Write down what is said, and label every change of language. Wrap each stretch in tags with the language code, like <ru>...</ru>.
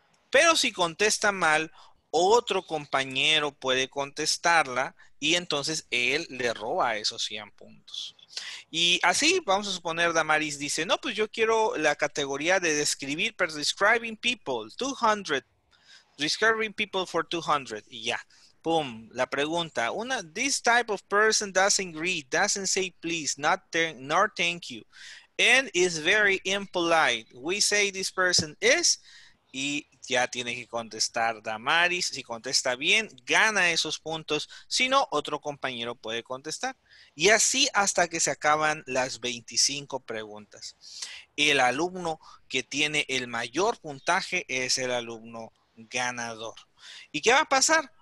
<es>Pero si contesta mal, otro compañero puede contestarla y entonces él le roba esos 100 puntos. Y así, vamos a suponer, Damaris dice, no, pues yo quiero la categoría de describir, pero</es> <en>describing people,</en> <es>200.</es> <en>Describing people for 200.</en> <es>Y ya. Boom, la pregunta.</es> <en>Una, this type of person doesn't greet, doesn't say please, nor thank you. And is very impolite. We say this person is...</en> <es>Y ya tiene que contestar Damaris. Si contesta bien, gana esos puntos. Si no, otro compañero puede contestar. Y así hasta que se acaban las 25 preguntas. El alumno que tiene el mayor puntaje es el alumno ganador. ¿Y qué va a pasar?</es>